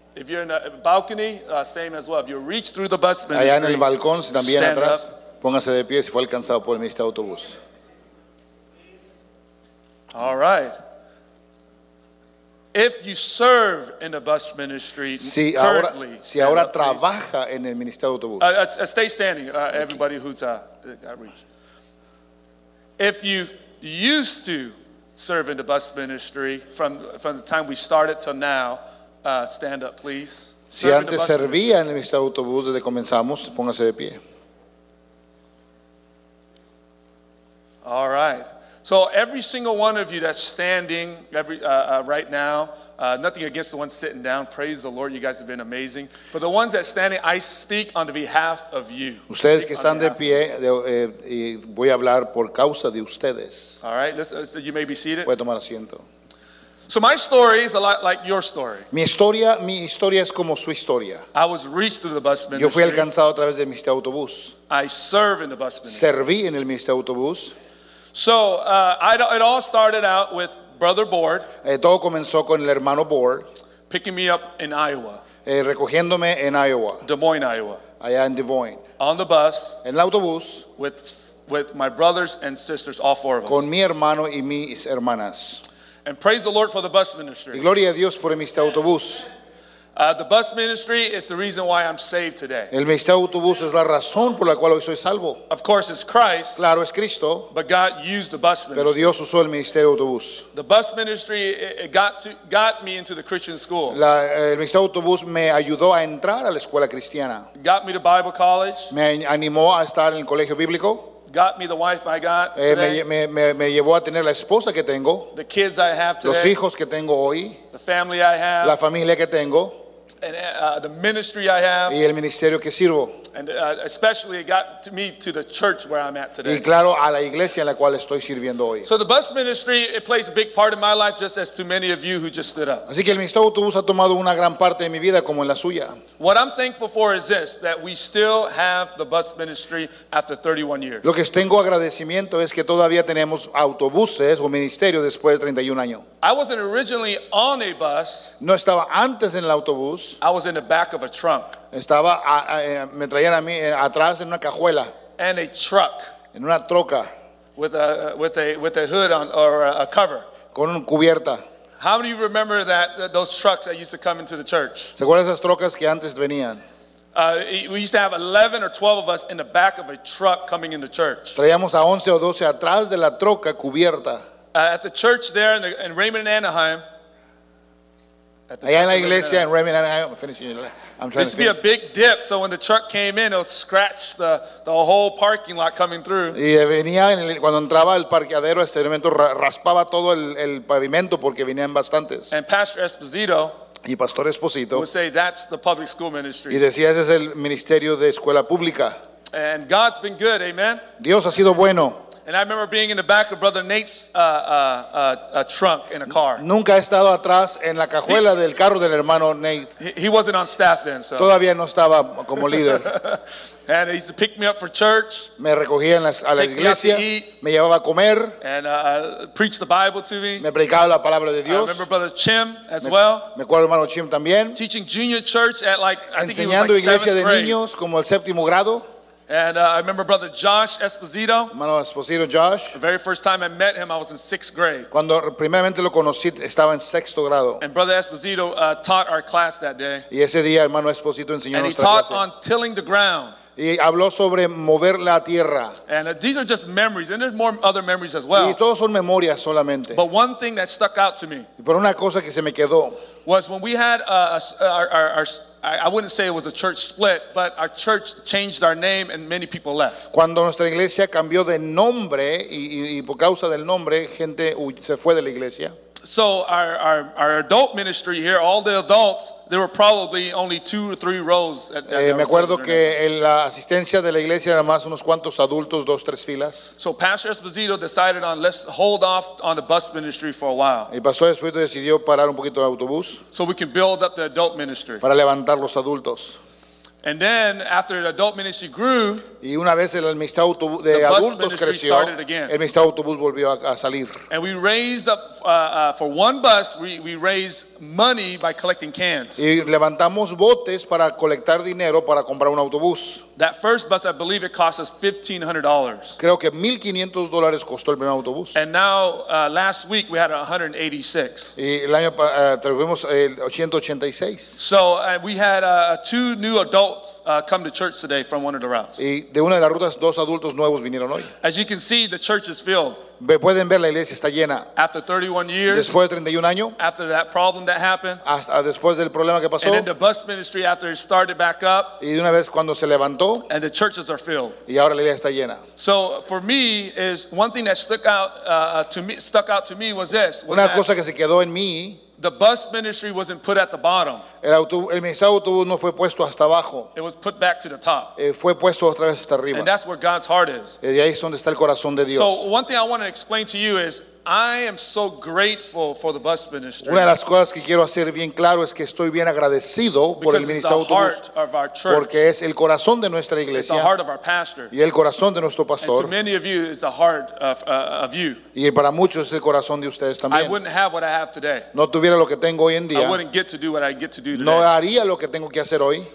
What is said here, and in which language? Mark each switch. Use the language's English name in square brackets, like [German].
[English] If you're in a balcony, same as well. If you reach through the bus ministry, [Spanish] allá en el balcón, también atrás, póngase de pie si fue alcanzado por el ministerio de autobús. [English] All right. If you serve in a bus ministry currently, [Spanish] si ahora trabaja en el ministerio de autobús. [English] Stay standing, everybody who's got reach. If you used to serve in the bus ministry from the time we started till now, stand up, please. [Spanish] Si antes servía en el ministerio de autobús desde que comenzamos, póngase de pie. [English] All right. So every single one of you that's standing right now, nothing against the ones sitting down. Praise the Lord, you guys have been amazing. But the ones that standing, I speak on the behalf of you. [Spanish] Ustedes que están de pie, y voy a hablar por causa de ustedes. [English] All right, let's, you may be seated. [Spanish] Puede tomar asiento. [English] So my story is a lot like your story. [Spanish] Mi historia es como su historia. [English] I was reached through the bus ministry. [Spanish] Yo fui alcanzado a través del ministerio de autobús. [English] I serve in the bus ministry. [Spanish] Serví en el ministerio de autobús. [English] So it all started out with Brother Board. [Spanish] Todo comenzó con el hermano Board [English] picking me up in Iowa. [Spanish] Recogiéndome en Iowa. [English] Des Moines, Iowa. [Spanish] Allá en Des Moines. [English] On the bus. [Spanish] En el autobús. [English] With my brothers and sisters, all four of us. [Spanish] Con mi hermano y mis hermanas. [English] And praise the Lord for the bus ministry. [Spanish] Y gloria a Dios por el ministerio de autobús. [English] The bus ministry is the reason why I'm saved today. [Spanish] El ministerio de autobús es la razón por la cual hoy soy salvo. [English] Of course, it's Christ. [Spanish] Claro, es Cristo. [English] But God used the bus ministry. [Spanish] Pero Dios usó el ministerio de autobús. [English] The bus ministry got me into the Christian school. [Spanish] El ministerio de autobús me ayudó a entrar a la escuela cristiana. [English] Got me to Bible college. [Spanish] Me animó a estar en el colegio bíblico. [English] Got me the wife I got today. [Spanish] Me llevó a tener la esposa que tengo. [English] The kids I have today. [Spanish] Los hijos que tengo hoy. [English] The family I have. [Spanish] La familia que tengo. [English] And the ministry I have. [Spanish] Y el ministerio que sirvo. [English] And especially it got to me to the church where I'm at today. [Spanish] Y claro, a la iglesia en la cual estoy sirviendo hoy. [English] So the bus ministry, it plays a big part in my life, just as too many of you who just stood up. [Spanish] Así que el ministerio de autobús ha tomado una gran parte de mi vida como en la suya. [English] What I'm thankful for is this, that we still have the bus ministry after 31 years. [Spanish] Lo que tengo agradecimiento es que todavía tenemos autobuses o ministerio después de 31 años. [English] I wasn't originally on a bus. [Spanish] No estaba antes en el autobús. [English] I was in the back of a trunk. [Spanish] Estaba, me traían a mí atrás en una cajuela. [English] And a truck. [Spanish] En una troca. [English] With a hood on or a cover. [Spanish] Con una cubierta. [English] How many of you remember that those trucks that used to come into the church? [Spanish] ¿Se acuerdan esas trocas que antes venían? [English] We used to have 11 or 12 of us in the back of a truck coming into church. [Spanish] Traíamos a 11 o 12 atrás de la troca cubierta. [English] At the church there in Raymond and Anaheim. [Spanish] Allá en la iglesia en Raymond and Anaheim. [English] I'm finishing. I'm trying to finish. Used to be a big dip, so when the truck came in, it would scratch the whole parking lot coming through. [Spanish] Y venía cuando entraba el parqueadero, este elemento raspaba todo el pavimento porque venían bastantes. [English] And Pastor Esposito. [Spanish] Y Pastor Esposito. [English] Would say that's the public school ministry. [Spanish] Y decía ese es el ministerio de escuela pública. [English] And God's been good, amen. [Spanish] Dios ha sido bueno. [English] And I remember being in the back of Brother Nate's trunk in a car. [Spanish] Nunca he estado atrás en la cajuela del carro del hermano Nate. [English] He wasn't on staff then, so. [Spanish] Todavía no estaba como líder. [English] And he used to pick me up for church. [Spanish] Me recogía a la iglesia. [English] Me, eat, [Spanish] me llevaba a comer. [English] And preach the Bible to me. [Spanish] Me predicaba la palabra de Dios. [English] I remember Brother Chim as well. [Spanish] Me acuerdo hermano Chim también. [English] Teaching junior church at like, I think he was like 7th grade. [Spanish] Enseñando iglesia de niños como el séptimo grado. [English] And I remember Brother Josh Esposito. [Spanish] Hermano Esposito Josh. [English] The very first time I met him, I was in 6th grade. [Spanish] Cuando primeramente lo conocí, estaba en sexto grado. [English] And Brother Esposito taught our class that day. [Spanish] Y ese día, hermano Esposito enseñó nuestra clase. [English] And he taught on tilling the ground. [Spanish] Y habló sobre mover la tierra. [English] And these are just memories, and there's more other memories as well. [Spanish] Y todos son memorias solamente. [English] But one thing that stuck out to me. [Spanish] Pero una cosa que se me quedó. [English] Was when we had our I wouldn't say it was a church split, but our church changed our name and many people left. [Spanish] Cuando nuestra iglesia cambió de nombre y por causa del nombre gente se fue de la iglesia. [English] So our adult ministry here, all the adults, there were probably only 2 or 3 rows. [Spanish] Me acuerdo que en la asistencia de la iglesia era más unos cuantos adultos, 2-3 filas. [English] So Pastor Esposito decided on let's hold off on the bus ministry for a while. [Spanish] Y Pastor Esposito decidió parar un poquito el autobús. [English] So we can build up the adult ministry. [Spanish] Para levantar los adultos. [English] And then after the adult ministry grew, [Spanish] y una vez el ministerio de adultos creció, el ministerio autobús volvió a salir. [English] And we raised up for one bus, we raised money by collecting cans. [Spanish] Y levantamos botes para colectar dinero para comprar un autobús. [English] That first bus, I believe it cost us $1,500. [Spanish] Creo que $1,500 costó el primer autobús. [English] And now last week we had 186. [Spanish] Y el año tuvimos 186. [English] So we had two new adults come to church today from one of the routes. [Spanish] Y de una de las rutas dos adultos nuevos vinieron hoy. [English] As you can see, the church is filled. [Spanish] Pueden ver la iglesia está llena. [English] After 31 years, [Spanish] después de 31 años, [English] after that problem that happened, [Spanish] hasta después del problema que pasó, [English] and then the bus ministry after it started back up, [Spanish] y de una vez cuando se levantó, [English] and the churches are filled, [Spanish] y ahora la iglesia está llena. [English] So for me is one thing that stuck out to me was this. [Spanish] Una cosa que se quedó en mí. [English] The bus ministry wasn't put at the bottom. [Spanish] El ministerio de autobús no fue puesto hasta abajo. [English] It was put back to the top. [Spanish] Fue puesto otra vez hasta arriba. [English] And that's where God's heart is. [Spanish] Y ahí es donde está el corazón de Dios. [English] So one thing I want to explain to you is I am so grateful for the bus ministry. [Spanish] Una de las cosas que quiero hacer bien claro es que estoy bien agradecido por el ministerio de autobús. [English] Because it's the heart of our church. [Spanish] Porque es el corazón de nuestra iglesia. [English] It's the heart of our pastor. [Spanish] Y el corazón de nuestro pastor. [English] And to many of you, it's the heart of you. [Spanish] Y para muchos es el corazón de ustedes también. [English] I wouldn't have what I have today. [Spanish] No tuviera lo que tengo hoy en día. [English] I wouldn't get to do what I get to do today. [Spanish] No haría lo que tengo que hacer hoy.